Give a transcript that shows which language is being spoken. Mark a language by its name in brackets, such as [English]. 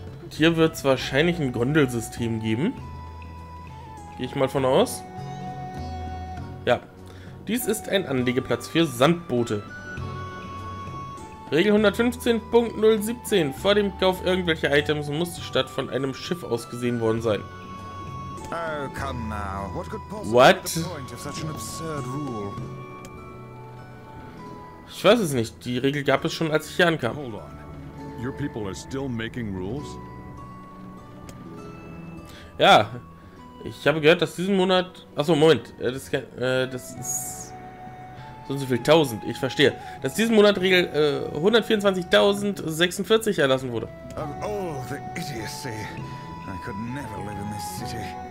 [German] Hier wird es wahrscheinlich ein Gondelsystem geben. Gehe ich mal von aus. Ja. Dies ist ein Anlegeplatz für Sandboote. Regel 115.017. Vor dem Kauf irgendwelcher Items muss die Stadt von einem Schiff ausgesehen worden sein. [English] Oh, come now. What could possibly What? Be the point of such an absurd rule? [German] Ich weiß es nicht. Die Regel gab es schon, als ich hier ankam. [English] Hold on. Your people are still making rules? [German] Ja. Ich habe gehört, dass diesen Monat... Achso, Moment. Das ist... So und so viel. 1000. Ich verstehe. Dass diesen Monat Regel 124.046 erlassen wurde. [English] Of all the idiocy, I could never live in this city.